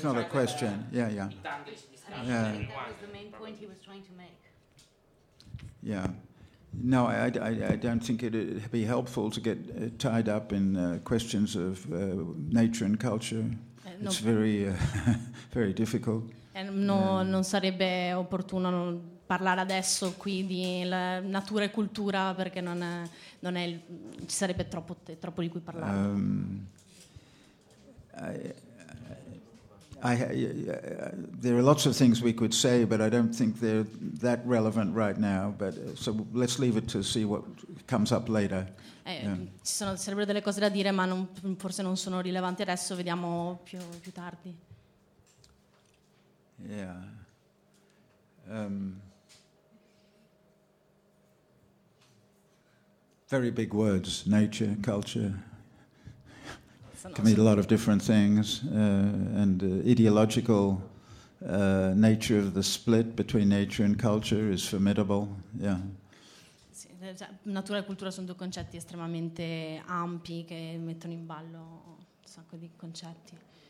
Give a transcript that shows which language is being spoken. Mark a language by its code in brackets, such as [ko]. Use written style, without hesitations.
[en] Yeah, it's not a question. Yeah, yeah. Yeah. That was the main point he was trying to make. Yeah. No, I don't think it'd be helpful to get tied up in questions of nature and culture. It's very, very difficult. [it] Non sarebbe opportuno parlare adesso qui di natura e cultura perché non è ci sarebbe troppo di cui parlare. [en] There are lots of things we could say, but I don't think they're that relevant right now. But so let's leave it to see what comes up later. [it] Ci sono sarebbero delle cose da dire, ma forse non sono rilevanti adesso. Vediamo più tardi. [en] Yeah. Very big words: nature, culture. Can mean a lot of different things, and ideological nature of the split between nature and culture is formidable. Yeah. [it] Natura e cultura sono due concetti estremamente ampi che mettono in ballo un sacco di concetti.